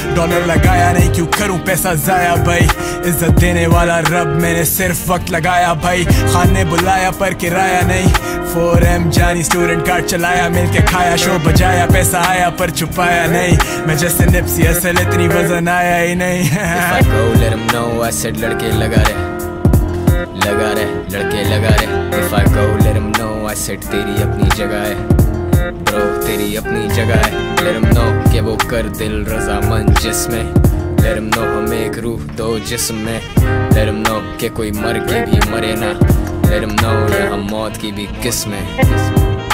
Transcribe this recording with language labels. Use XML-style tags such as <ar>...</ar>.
<hi>Dollar लगाया नहीं क्यों करूं पैसा जाया भाई, इज्जत देने वाला रब मैंने सिर्फ वक्त लगाया भाई। खान ने बुलाया पर किराया नहीं, 4M जानी स्टूडेंट कार्ड चलाया, मिल के खाया शो बजाया, पैसा आया पर छुपाया नहीं। मैं जैसे निप्सी असल इतनी वजन आया ही नहीं।</hi> <en>If I go, let 'em know, I said</en> <hi>लड़के लगा रहे लड़के लगा रहे।</hi> <en>If I go, let 'em know, I said</en> <hi>तेरी अपनी जगह है bro, तेरी अपनी जगह है।</hi> <en>Let 'em know</en> <hi>के वो कर दिल रजा मन जिसमें, Let 'em know हम एक रूह दो जिस्म में।</hi> <en>Let 'em know</en> <hi>के कोई मर के भी मरे ना, Let 'em know यहाँ मौत की भी किस्म है।</hi>